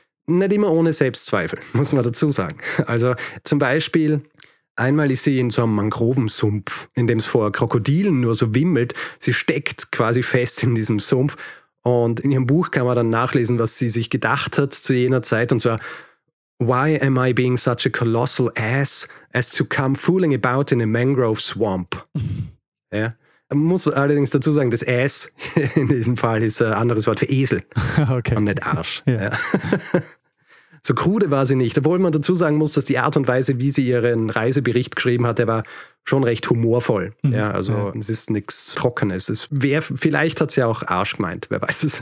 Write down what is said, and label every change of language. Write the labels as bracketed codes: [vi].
[de] Nicht immer ohne Selbstzweifel, muss man dazu sagen. Also zum Beispiel, einmal ist sie in so einem Mangrovensumpf, in dem es vor Krokodilen nur so wimmelt. Sie steckt quasi fest in diesem Sumpf. Und in ihrem Buch kann man dann nachlesen, was sie sich gedacht hat zu jener Zeit. Und zwar, [en] why am I being such a colossal ass as to come fooling about in a mangrove swamp? [de] Ja. Man muss allerdings dazu sagen, das Ass in diesem Fall ist ein anderes Wort für Esel. Okay. Und nicht Arsch. Ja. So krude war sie nicht, obwohl man dazu sagen muss, dass die Art und Weise, wie sie ihren Reisebericht geschrieben hat, der war schon recht humorvoll. Ja, also es ist nichts Trockenes. Vielleicht hat sie auch Arsch gemeint, wer weiß es.